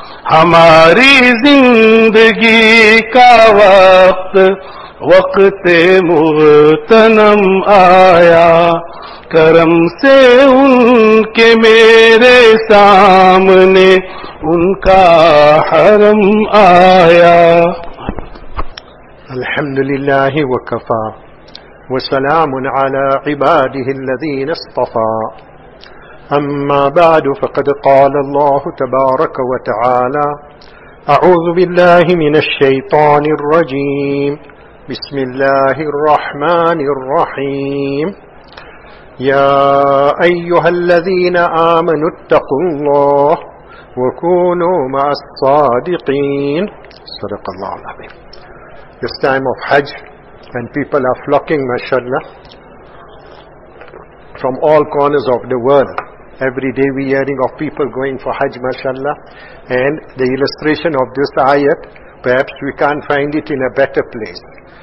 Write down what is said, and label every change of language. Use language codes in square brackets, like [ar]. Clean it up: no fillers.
[ur] ہماری زندگی کا وقت وقت مغتنم آیا. کرم سے ان کے میرے سامنے ان کا حرم آیا. [ar] الحمدللہ وکفا وسلام على عباده الذين اصطفى. أما بعد فقد قال الله تبارك وتعالى أعوذ بالله من الشيطان الرجيم. بسم الله الرحمن الرحيم. يا أيها الذين آمنوا اتقوا الله وكونوا مع الصادقين. صدق الله العظيم. [en] this time of Hajj, and people are flocking, mashallah, from all corners of the world. Every day we are hearing of people going for Hajj, mashallah, and the illustration of this ayat, perhaps we can't find it in a better place.